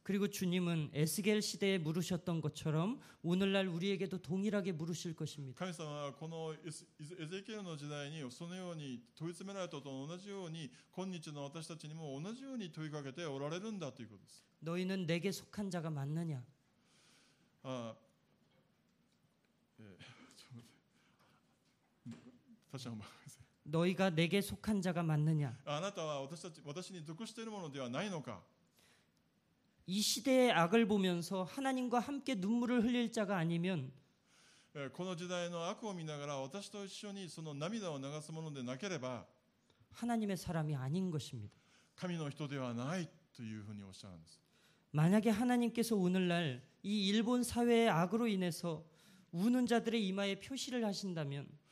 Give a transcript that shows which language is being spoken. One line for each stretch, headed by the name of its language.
Korean: 그리고 주님은 에스겔 시대에 물으셨던 것처럼 오늘날 우리에게도 동일하게 물으실 것입니다.
Japanese: 神様はこのエゼキエルの時代にそのように問い詰められたと同じように、今日の私たちにも同じように問いかけておられるんだということです。
Korean: 너희는 내게 속한 자가 맞느냐? 너희가 내게 속한 자가 맞느냐?
Japanese: 아나타와 私たち私に属しているものではないのか。
Korean: 이 시대의 악을 보면서 하나님과 함께 눈물을 흘릴 자가 아니면
Japanese: この時代の悪を見ながら私と一緒にその涙を流すものでなければ
Korean: 하나님의 사람이 아닌 것입니다.
Japanese: 神の人ではないというふうにおっしゃるんです。
Korean: 만약에 하나님께서 오늘날 이 일본 사회의 악으로 인해서 우는 자들의 이마에 표시를 하신다면